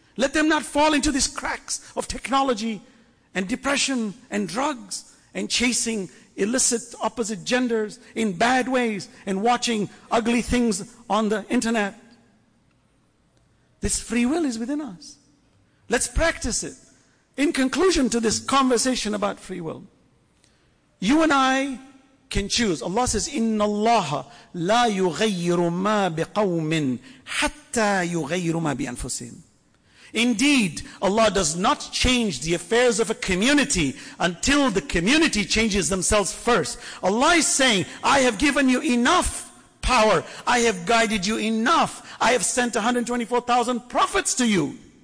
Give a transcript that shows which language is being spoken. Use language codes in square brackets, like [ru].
[en] Let them not fall into these cracks of technology and depression and drugs and chasing illicit opposite genders in bad ways and watching ugly things on the internet. This free will is within us. Let's practice it. In conclusion to this conversation about free will, you and I can choose. Allah says, [ar] إِنَّ اللَّهَ لَا يُغَيِّرُ مَا بِقَوْمٍ حَتَّى يُغَيِّرُ مَا بِأَنفُسِهِمْ. [en] Indeed, Allah does not change the affairs of a community until the community changes themselves first. Allah is saying, I have given you enough power. I have guided you enough. I have sent 124,000 prophets to you.